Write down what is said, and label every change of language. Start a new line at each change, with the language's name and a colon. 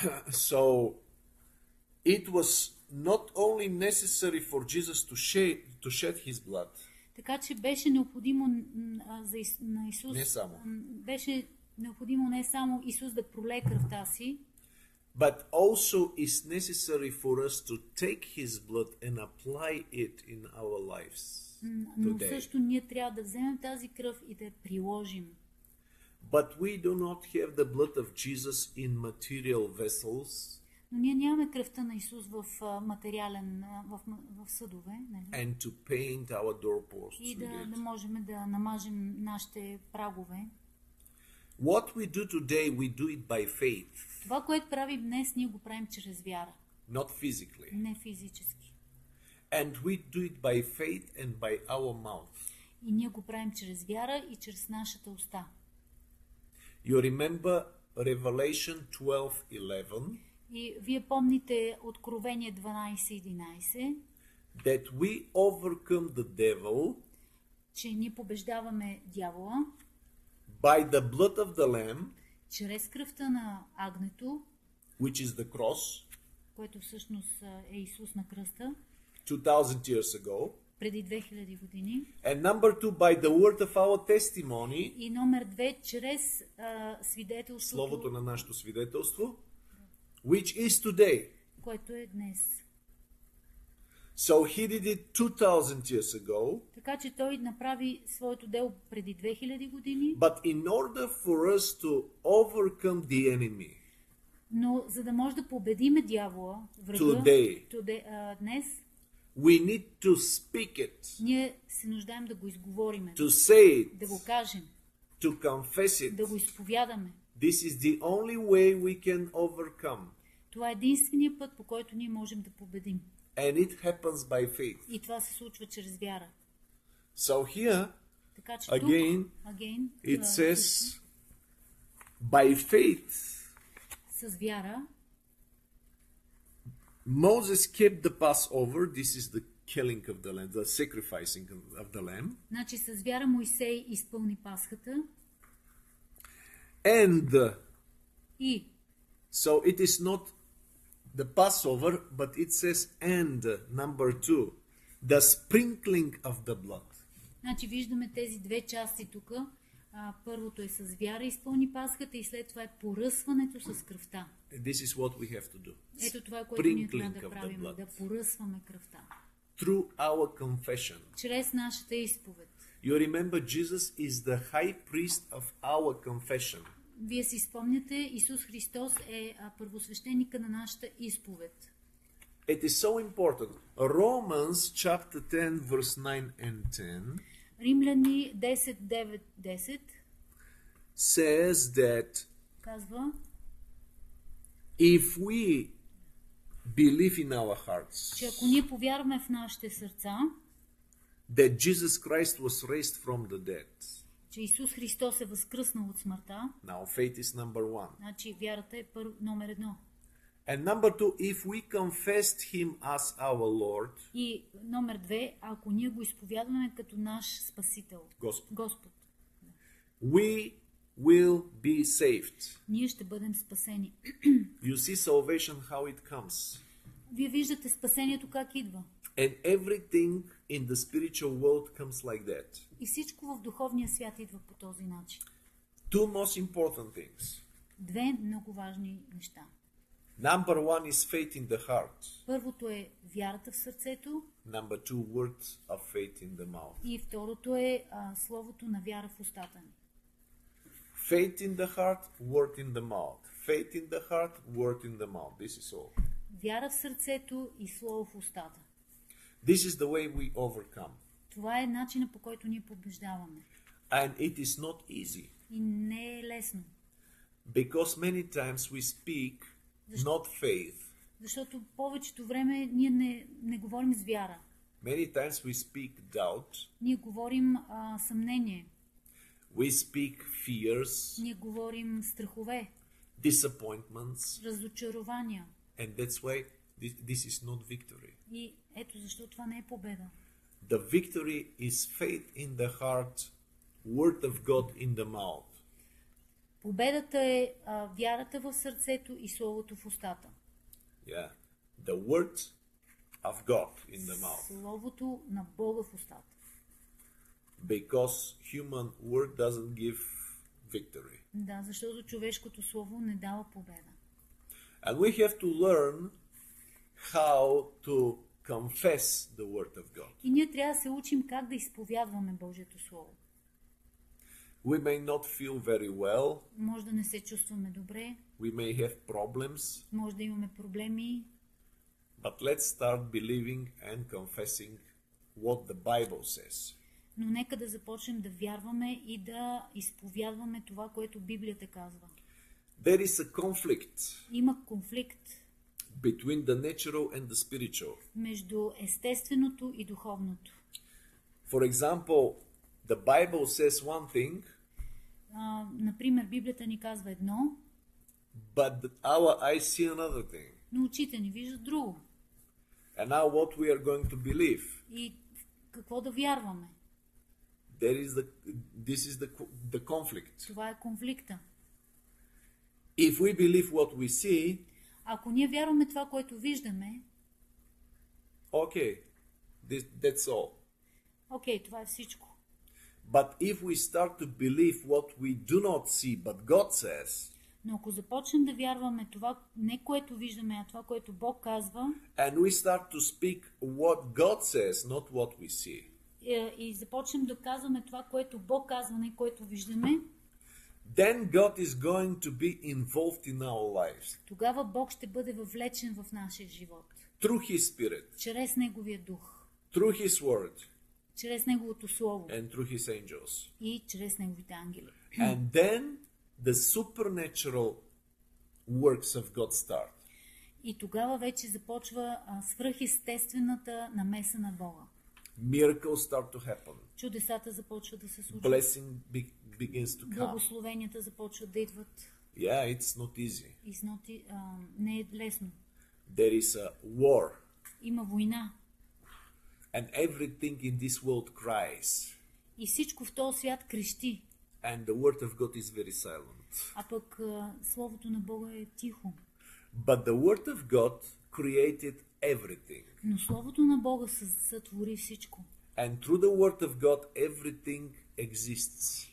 English: So it was not only necessary for Jesus to shed his blood.
Bulgarian: Така че беше необходимо на Исус. Не само. Беше необходимо не само Исус да пролее кръвта си.
English: But also is necessary for us to take his blood and apply it in our lives.
Bulgarian: Но също ние трябва да вземем тази кръв и да я приложим.
English: But we do not have the blood of Jesus in material vessels.
Bulgarian: Но ние нямаме кръвта на Исус в материален, в съдове, нали?
English: And to paint our doorposts.
Bulgarian: И да можем да намажем нашите прагове.
English: What we do today, we do it by faith.
Bulgarian: Това, което правим днес, ние го правим чрез вяра.
English: Not physically.
Bulgarian: Не физически.
English: And we do it by faith and by our mouth.
Bulgarian: И ние го правим чрез вяра и чрез нашата уста.
English: You remember Revelation 12:11?
Bulgarian: И вие помните Откровение 12:11?
English: That we overcome the devil,
Bulgarian: че ние побеждаваме дявола,
English: by the blood of the lamb,
Bulgarian: чрез кръвта на агнето,
English: which is the cross,
Bulgarian: което всъщност е Исус на кръста,
English: 2000 years ago,
Bulgarian: преди 2000 години,
English: and number two, by the word of our testimony,
Bulgarian: и номер две, чрез свидетелството, словото на нашето свидетелство,
English: which is today,
Bulgarian: което е днес.
English: So he did it 2000 years ago.
Bulgarian: Така че той направи своето дело преди 2000 години.
English: But in order for us to overcome the enemy.
Bulgarian: Но за да може да победим дявола, врага,
English: today,
Bulgarian: днес,
English: we need to speak it.
Bulgarian: Ние се нуждаем да го изговориме.
English: To say it.
Bulgarian: Да го кажем.
English: To confess it.
Bulgarian: Да го изповядаме.
English: This is the only way we can overcome.
Bulgarian: Това е единственият път, по който ние можем да победим.
English: And it happens by faith.
Bulgarian: И това се случва чрез вяра.
English: So here,
Bulgarian: така, че
English: again,
Bulgarian: тук,
English: again, it says, by faith,
Bulgarian: с вяра,
English: Moses kept the Passover, this is the killing of the lamb, the sacrificing of the lamb.
Bulgarian: Значи с вяра Моисей изпълни Пасхата.
English: And,
Bulgarian: и,
English: so it is not the Passover, but it says and number two, the sprinkling of the blood.
Bulgarian: Значи виждаме тези две части тук. Първото е с вяра изпълни Пасхата и след това е поръсването с кръвта.
English: This is what we have to do.
Bulgarian: Ето това е което ние трябва да правим, да поръсваме кръвта.
English: Through our confession.
Bulgarian: Чрез нашата изповед.
English: You remember Jesus is the high priest of our confession.
Bulgarian: Вие си спомняте, Исус Христос е първосвещеника на нашата изповед.
English: It is so important. Romans chapter 10 verse 9 and 10.
Bulgarian: Римляни 10 9 10
English: says that,
Bulgarian: казва,
English: if we believe in our hearts,
Bulgarian: че ако ние повярваме в нашите сърца,
English: that Jesus Christ was raised from the dead,
Bulgarian: че Исус Христос е възкръснал от смъртта.
English: Now faith is number one.
Bulgarian: Значи вярата е номер едно.
English: And number two, if we confessed him as our Lord.
Bulgarian: И номер две, ако ние го изповядваме като наш спасител. Господ. Господ.
English: We will be saved.
Bulgarian: Ние ще бъдем спасени.
English: You see salvation how it comes.
Bulgarian: Вие виждате спасението как идва.
English: And everything in the spiritual world comes like that.
Bulgarian: И всичко в духовния свят идва по този начин.
English: Two most important things.
Bulgarian: Две много важни неща.
English: Number one is faith in the heart.
Bulgarian: Първото е вярата в сърцето.
English: Number two, words of faith in the mouth.
Bulgarian: И второто е словото на вяра в устата ни.
English: Faith in the heart, word in the mouth. Faith in the heart, word in the mouth. This is all.
Bulgarian: Вяра в сърцето и слово в устата.
English: This is the way we overcome.
Bulgarian: Това е начинът, по който ние побеждаваме.
English: And it is not easy.
Bulgarian: И не е лесно.
English: Because many times we speak not faith.
Bulgarian: Защото повечето време ние не говорим с вяра.
English: Many times we speak doubt.
Bulgarian: Ние говорим съмнение.
English: We speak fears.
Bulgarian: Ние говорим страхове.
English: Disappointments.
Bulgarian: Разочарования.
English: And that's why this is not victory.
Bulgarian: И ето защо това не е победа.
English: The victory is faith in the heart, word of God in the mouth.
Bulgarian: Победата е вярата в сърцето и словото в устата.
English: Yeah. The word of God in the mouth.
Bulgarian: Словото на Бога в устата.
English: Because human word doesn't give victory.
Bulgarian: Да, защото човешкото слово не дава победа.
English: And we have to learn how to confess the word of God.
Bulgarian: И ние трябва да се учим как да изповядваме Божието слово.
English: We may not feel very well.
Bulgarian: Може да не се чувстваме добре.
English: We may have problems.
Bulgarian: Може да имаме проблеми.
English: But let's start believing and confessing what the Bible says.
Bulgarian: Но нека да започнем да вярваме и да изповядваме това, което Библията казва.
English: There is a conflict.
Bulgarian: Има конфликт.
English: Between the natural and the spiritual.
Bulgarian: Между естественото и духовното.
English: For example, the Bible says one thing.
Bulgarian: Например, Библията ни казва едно.
English: But our eyes see another thing.
Bulgarian: Но очите ни виждат друго.
English: And now what we are going to believe?
Bulgarian: И какво да вярваме?
English: There is this is the conflict.
Bulgarian: Това е конфликта.
English: If we believe what we see,
Bulgarian: ако ние вярваме това, което виждаме,
English: okay, that's all.
Bulgarian: Okay, това е всичко.
English: But if we start to believe what we do not see, but God says,
Bulgarian: но ако започнем да вярваме това, не което виждаме, а това, което Бог казва,
English: and we start to speak what God says, not what we see.
Bulgarian: И започнем да казваме това, което Бог казва, не което виждаме,
English: then God is going to be involved in our lives.
Bulgarian: Тогава Бог ще бъде въвлечен в нашия живот.
English: Through His Spirit.
Bulgarian: Чрез Неговия дух.
English: Through His Word.
Bulgarian: Чрез Неговото слово.
English: And through His angels.
Bulgarian: И чрез Неговите ангели.
English: And then the supernatural works of God start.
Bulgarian: И тогава вече започва свръхестествената намеса на Бога.
English: Miracles start to happen.
Bulgarian: Чудесата започват да се случват.
English: Blessing begins to come.
Bulgarian: Благословенията започват да идват.
English: Yeah, it's not easy.
Bulgarian: Не е лесно.
English: There is a war.
Bulgarian: Има война.
English: And everything in this world cries.
Bulgarian: И всичко в този свят крещи.
English: And the word of God is very silent.
Bulgarian: А пък словото на Бога е тихо.
English: But the word of God created everything.
Bulgarian: Но словото на Бога сътвори всичко.
English: And through the word of God everything exists.